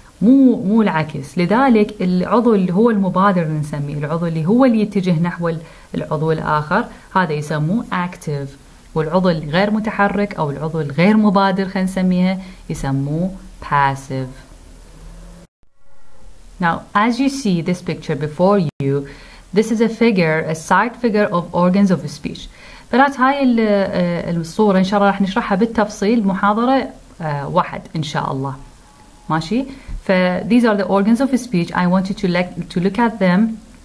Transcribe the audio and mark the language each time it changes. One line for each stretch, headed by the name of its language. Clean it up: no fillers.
Arabic: مو العكس. لذلك العضو اللي هو المبادر نسميه العضو اللي هو اللي يتجه نحو العضو الآخر هذا يسموه active، والعضو الغير متحرك أو العضو الغير مبادر خلينا نسميها يسموه passive.
English: Now as you see this picture before you, this is a figure, a sight figure of organs of speech.
Arabic: برات هاي الصورة إن شاء الله راح نشرحها بالتفصيل محاضرة واحد إن شاء الله. ماشي.
English: These are the organs of speech. I want you to look at them.